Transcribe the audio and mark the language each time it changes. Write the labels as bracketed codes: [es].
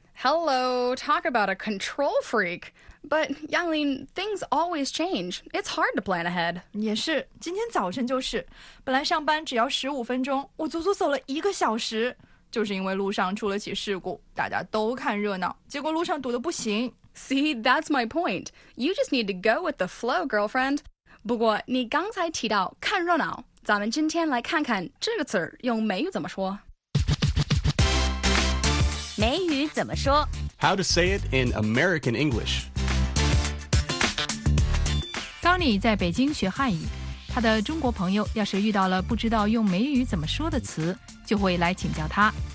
[en] Hello, talk about a control freak. But, Yanglin, things always change. It's hard to plan ahead. [zh] 也是，今天早晨就是，本来上班只要15分钟，我足足走了一个小时，就是因为路上出了起事故，大家都看热闹，结果路上堵得不行。 [en] See, that's my point. You just need to go with the flow, girlfriend. [zh] 不过你刚才提到看热闹。咱们今天来看看这个词儿用美语怎么说。美语怎么说 [en] ？How to say it in American English？ [zh] 高妮在北京学汉语，她的中国朋友要是遇到了不知道用美语怎么说的词，就会来请教她。